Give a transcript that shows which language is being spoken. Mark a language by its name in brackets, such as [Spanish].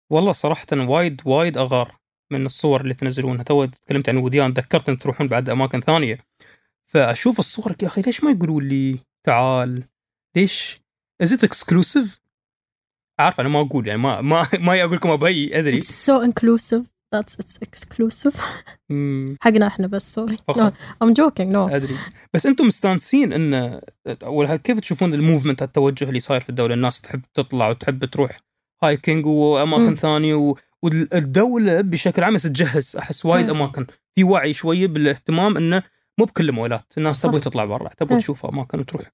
[Arabic] والله صراحة وايد وايد أغار من الصور اللي تنزلونها. تو تكلمت عن وديان، ذكرت أن تروحون بعد أماكن ثانية، فأشوف الصور يا أخي ليش ما يقولوا لي تعال؟ ليش؟ [English] Is it exclusive؟ [Arabic] عارف أنا ما أقول يعني ما أقول لكم أبي أدري. [English] It's so inclusive that it's exclusive. [Arabic] حقنا إحنا بس sorry. [English] I'm joking. No. [Arabic] أدري. بس أنتم مستانسين إن أول كيف تشوفون الموفمنت، التوجه اللي صاير في الدولة، الناس تحب تطلع وتحب تروح هايكينج وأماكن ثانية، والدولة بشكل عام تجهز أحس وايد أماكن في وعي شوية بالاهتمام إنه مو بكل المولات الناس تبغى تطلع برا، تبغى تشوفها أماكن وتروح.